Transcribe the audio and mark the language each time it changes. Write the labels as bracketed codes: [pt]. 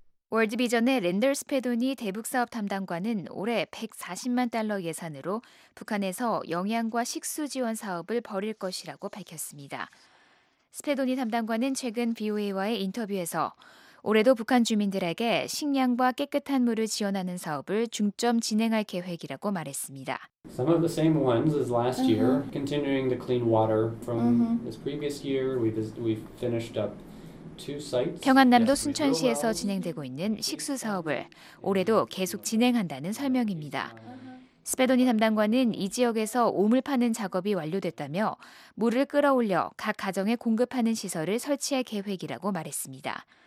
[ko] 월드비전의 랜덜 스페돈이 대북사업 담당관은 올해 140만 달러 예산으로 북한에서 영양과 식수 지원 사업을 벌일 것이라고 밝혔습니다. 스페돈이 담당관은 최근 VOA와의 인터뷰에서 올해도 북한 주민들에게 식량과 깨끗한 물을 지원하는 사업을 중점 진행할 계획이라고 말했습니다. [en] Some of the same ones as last year, continuing the clean water from this previous year. We've finished up two sites. [ko] 평안남도 순천시에서 진행되고 있는 식수 사업을 올해도 계속 진행한다는 설명입니다. 스페돈이 담당관은 이 지역에서 오물 파는 작업이 완료됐다며 물을 끌어올려 각 가정에 공급하는 시설을 설치할 계획이라고 말했습니다.